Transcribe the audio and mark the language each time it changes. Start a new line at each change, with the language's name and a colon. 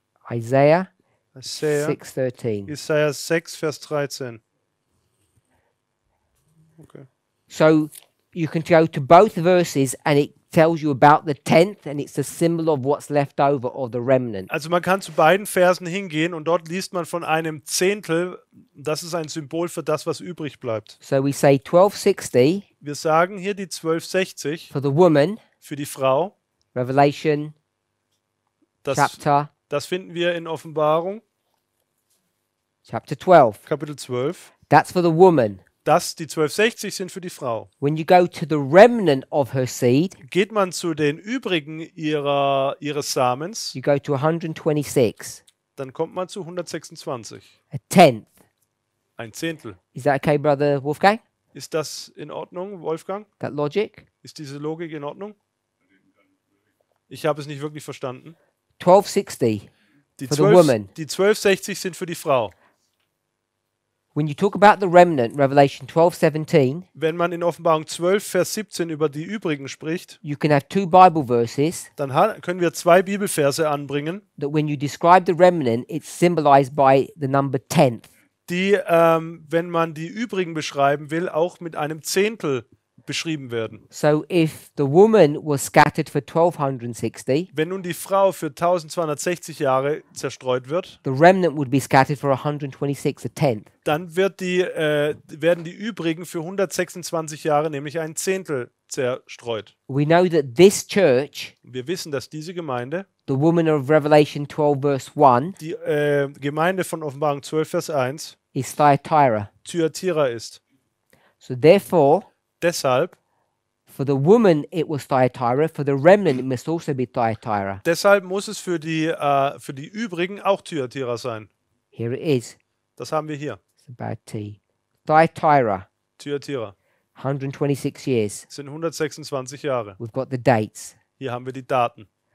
English: Isaiah 6, Vers 13. Okay. So you can go to both verses and it tells you about the tenth and it's a symbol of what's left over or the remnant.
German: Also man kann zu beiden Versen hingehen und dort liest man von einem Zehntel. Das ist ein Symbol für das, was übrig bleibt.
English: So we say 1260.
German: Wir sagen hier die 1260.
English: For the woman.
German: Für die Frau.
English: Revelation.
German: Das Chapter. Das finden wir in Offenbarung.
English: Chapter 12.
German: Kapitel 12.
English: That's for the woman.
German: Das, die 1260 sind für die Frau.
English: When you go to the remnant of her seed,
German: geht man zu den übrigen ihres Samens,
English: you go to 126.
German: Dann kommt man zu 126.
English: A tenth.
German: Ein Zehntel.
English: Is that okay, Brother Wolfgang?
German: Ist das in Ordnung, Wolfgang?
English: That logic?
German: Ist diese Logik in Ordnung? Ich habe es nicht wirklich verstanden. 1260
English: die for 12, the woman.
German: Die 1260 sind für die Frau.
English: When you talk about the remnant, Revelation 12:17.
German: Wenn man in Offenbarung 12, Vers 17 über die übrigen spricht,
English: you can have two Bible verses,
German: dann können wir zwei Bibelverse anbringen,
English: that when you describe the remnant, it's symbolized by the number tenth.
German: Die, wenn man die übrigen beschreiben will, auch mit einem Zehntel beschrieben werden.
English: So if the woman was scattered for 1260,
German: wenn nun die Frau für 1260 Jahre zerstreut wird,
English: the remnant would be scattered for 126, a tenth.
German: Dann wird werden die übrigen für 126 Jahre, nämlich ein Zehntel, zerstreut.
English: We know that this church,
German: wir wissen, dass diese Gemeinde,
English: the woman of Revelation 12, verse 1,
German: die Gemeinde von Offenbarung 12, Vers 1,
English: is Thyatira.
German: Thyatira ist.
English: So therefore,
German: deshalb,
English: for the woman it was Thyatira, for the remnant it must also be Thyatira.
German: Deshalb muss es für die übrigen auch Thyatira sein.
English: Here it is.
German: Das haben wir hier.
English: It's a bad T. Thyatira. Thyatira. 126 years.
German: Sind 126 Jahre.
English: We've got the dates.
German: Hier haben wir die Daten.